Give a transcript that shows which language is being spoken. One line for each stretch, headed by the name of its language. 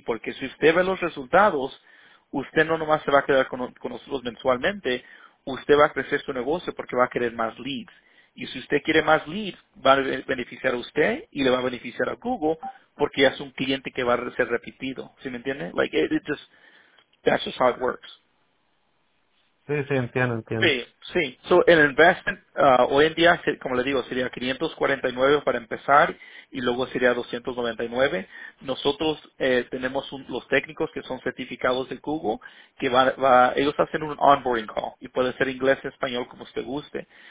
Spanish: Porque si usted ve los resultados, usted no nomás se va a quedar con nosotros mensualmente, usted va a crecer su negocio porque va a querer más leads. Y si usted quiere más leads, va a beneficiar a usted y le va a beneficiar a Google porque es un cliente que va a ser repetido. ¿Sí me entiende?
English: Like, it just, that's just how it works.
Spanish: Sí, sí, entiendo, entiendo. Sí, sí. So, el investment, hoy en día, como le digo, sería 549 para empezar y luego sería 299. Nosotros tenemos los técnicos que son certificados de Google, que ellos hacen un onboarding call y puede ser inglés, español, como usted guste.